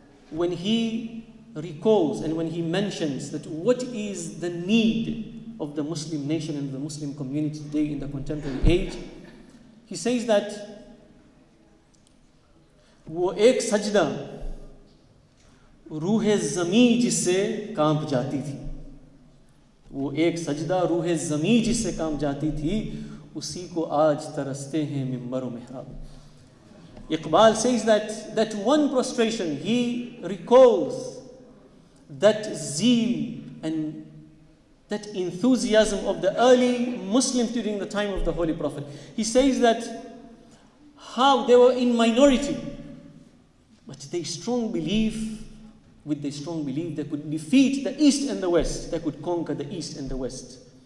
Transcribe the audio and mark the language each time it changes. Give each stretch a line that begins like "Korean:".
English: when he recalls and when he mentions that what is the need of the Muslim nation and the Muslim community today in the contemporary age, he says that
Urdu: wo ek sajda ruh-e-zameen jisse kaanp jaati thi. وہ ایک سجدہ روح زمین جس سے کام جاتی تھی اسی کو آج ترستے ہیں ممبر و محراب.
English: Iqbal says that one prostration, he recalls that zeal and that enthusiasm of the early Muslim during the time of the Holy Prophet. He says that how they were in minority, but with their strong belief they could defeat the East and the West, they could conquer the East and the West.